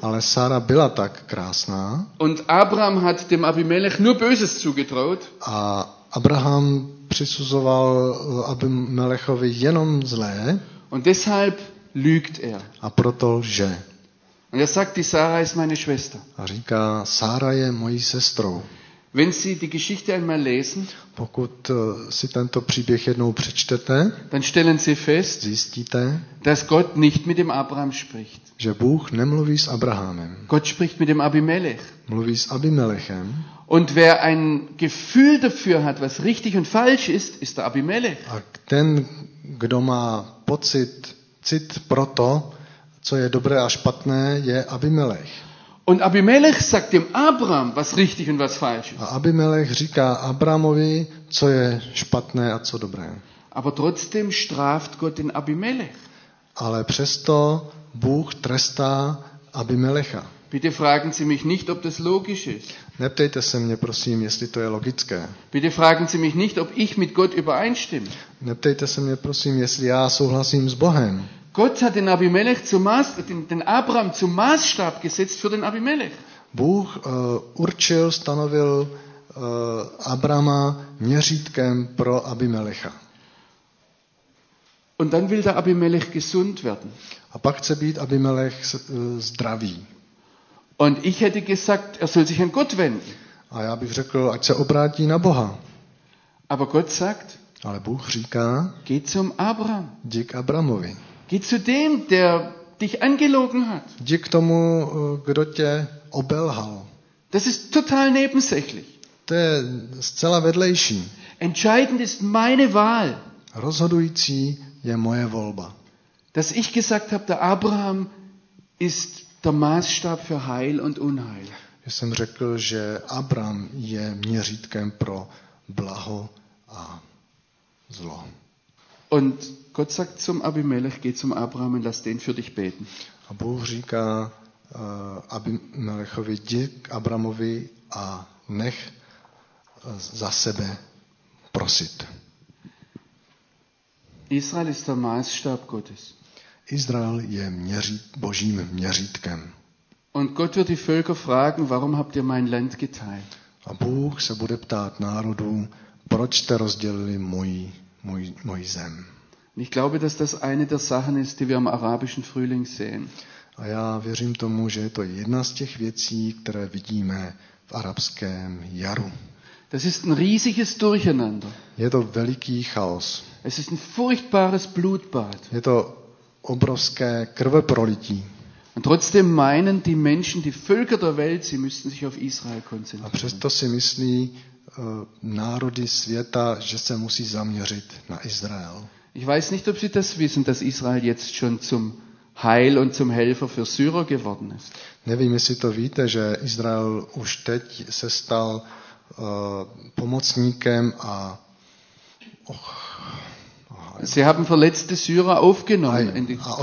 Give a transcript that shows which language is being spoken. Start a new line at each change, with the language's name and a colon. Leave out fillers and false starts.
Czech: Ale Sara byla tak krásná.
German: Und Abraham hat dem Abimelech nur Böses zugetraut.
Czech: A Abraham přisuzoval Abimelechovi jenom zlé.
German: Und deshalb lügt er.
Czech: A proto lže.
German: Und er sagt, die Sarah ist meine Schwester.
Czech: A říká, Sara je mojí sestrou.
German: Wenn Sie die Geschichte einmal lesen,
Czech: pokud si tento příběh jednou přečtete,
German: dann stellen Sie fest,
Czech: zjistíte,
German: dass Gott nicht mit dem Abraham spricht.
Czech: Že Bůh nemluví s Abrahamem.
German: Gott spricht mit dem Abimelech.
Czech: Mluví s Abimelechem.
German: Und wer ein Gefühl dafür hat, was richtig und falsch ist, ist der Abimelech.
Czech: A ten, kdo má pocit, cit pro to, co je dobré a špatné, je Abimelech.
German: Und Abimelech sagt dem Abraham, was richtig und was falsch ist.
Czech: A Abimelech říká Abrahamovi, co je špatné a co dobré.
German: Aber trotzdem straft Gott den Abimelech.
Czech: Ale přesto Bůh trestá Abimelecha.
German: Bitte fragen Sie mich nicht, ob das logisch ist.
Czech: Neptejte se mě, prosím, jestli to je logické.
German: Bitte fragen Sie mich nicht, ob ich mit Gott übereinstimme.
Czech: Neptejte se mě, prosím, jestli já souhlasím s Bohem.
German: Gott hat den Abimelech zum Maß, den Abraham zum Maßstab gesetzt für den Abimelech.
Czech: Bůh určil, stanovil Abrama měřítkem pro Abimelecha.
German: Und dann will der Abimelech gesund werden.
Czech: A pak chce být Abimelech zdravý.
German: Und ich hätte gesagt, er soll sich an Gott wenden.
Czech: A já bych řekl, ať se obrátí na Boha.
German: Aber Gott sagt,
Czech: ale Bůh říká,
German: geh zum Abraham.
Czech: Jdi k Abramovi.
German: Geh zu dem, der dich angelogen hat.
Czech: Jdi k tomu, kdo tě obelhal.
German: Das ist total nebensächlich.
Czech: To je zcela vedlejší.
German: Entscheidend ist meine Wahl.
Czech: Rozhodující je moje volba.
German: Dass ich gesagt habe, der Abraham ist der Maßstab für Heil und Unheil.
Czech: Já jsem řekl, že Abraham je měřítkem pro blaho a zlo.
German: Und Gott sagt zum Abimelech, geh zum Abraham und lass den für dich beten.
Czech: A Bůh říká Abimelechovi, jdi k Abramovi a nech za sebe prosit.
German: Israel ist der Maßstab Gottes.
Czech: Izrael je Božím měřítkem.
German: Und Gott wird die Völker fragen, warum habt ihr mein Land geteilt?
Czech: A Bůh se bude ptát národů, proč jste rozdělili moji zem.
German: Ich glaube, dass das eine der Sachen ist, die wir am arabischen Frühling sehen.
Czech: A já věřím tomu, že je to jedna z těch věcí, které vidíme v arabském jaru.
German: Das ist ein riesiges Durcheinander.
Czech: Je to veliký chaos.
German: Es ist ein furchtbares Blutbad.
Czech: Je to obrovské krveprolití.
German: Und trotzdem meinen die Menschen, die Völker der Welt, sie müssten sich auf Israel konzentrieren.
Czech: A přesto si myslí národy světa, že se musí zaměřit na Izrael.
German: Ich weiß nicht, ob Sie das wissen, dass Israel jetzt schon zum Heil und zum Helfer für Syrer geworden ist.
Czech: Nevím, jestli to víte, že Izrael už teď se stal pomocníkem a
German: Sie haben verletzte Syrer aufgenommen in die